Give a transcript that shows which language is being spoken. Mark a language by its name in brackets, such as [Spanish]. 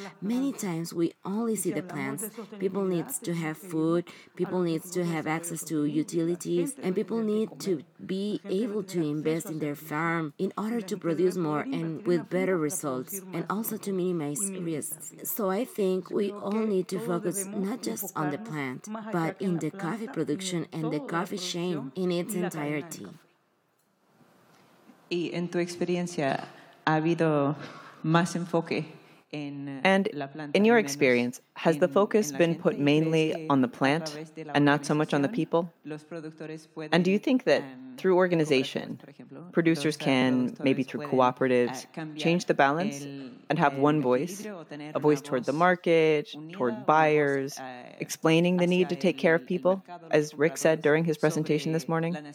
[English] Many times we only see the plants. People need to have food, people need to have access to utilities, and people need to be able to invest in their farm in order to produce more and with better results, and also to minimize risks. So I think we all need to focus not just on the plant, but in the coffee production and the coffee chain in its entirety. [Spanish] Y en tu experiencia, ¿ha habido más enfoque en [English] and [Spanish] la planta, [English] in your experience, has the focus been put mainly on the plant and not so much on the people? [Spanish] Los productores pueden, [English] and do you think that through organization, producers can, maybe through cooperatives, change the balance and have one voice, a voice toward the market, toward buyers, explaining the need to take care of people, as Rick said during his presentation this morning?